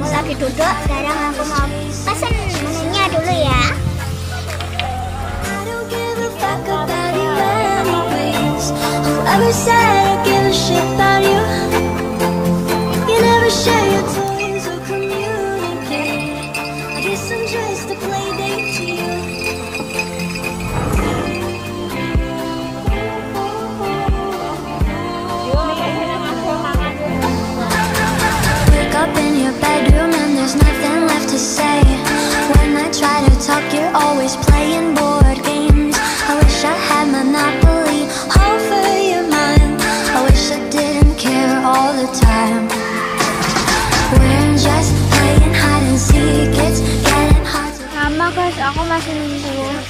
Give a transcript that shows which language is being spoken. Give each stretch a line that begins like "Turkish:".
Indonesian: Duduk, sekarang aku mau pesen menunya dulu ya.
English: I don't give a fuck about you anyways. I've ever said I don't give a shit about you. You never share your toys or communicate. I guess I'm just a play date to you. Wake up in your bedroom. There's nothing left to say. When I try to talk, you're always playing board games. I wish I had Monopoly over your mind. I wish I didn't care all the time. We're just playing hide and seek. It's getting hard to...
Indonesian: Mama, guys, aku masih nunggu.